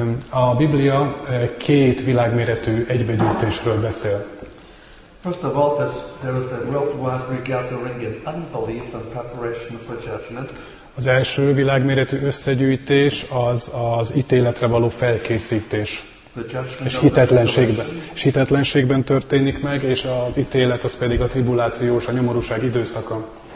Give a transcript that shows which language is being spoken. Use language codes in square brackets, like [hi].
[hu] A Biblia két világméretű egybegyűjtésről beszél. [en] First of all, there is a worldwide regathering in unbelief and preparation for judgment. [hu] Az első világméretű összegyűjtés az ítéletre való felkészítés. És hitetlenségben történik meg, és az ítélet az pedig a tribulációs, a nyomorúság időszaka.